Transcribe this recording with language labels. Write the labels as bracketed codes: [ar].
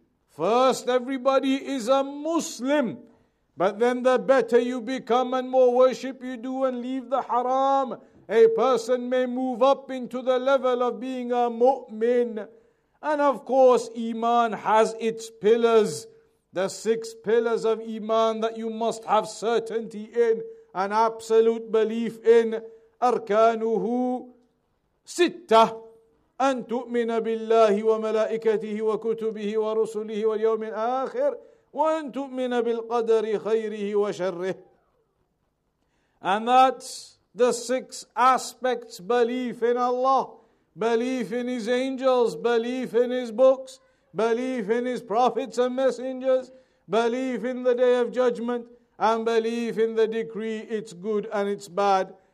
[en] First, everybody is a Muslim. But then the better you become and more worship you do and leave the haram, a person may move up into the level of being a mu'min. And of course, Iman has its pillars. The six pillars of Iman that you must have certainty in and absolute belief in. [ar] أركانه ستة, أن تؤمن بالله وملائكته وكتبه ورسله واليوم الآخر وأن تؤمن بالقدر خيره وشره. [en] And that's the six aspects: belief in Allah, belief in his angels, belief in his books, belief in his prophets and messengers, belief in the Day of Judgment and belief in the decree, its good and its bad.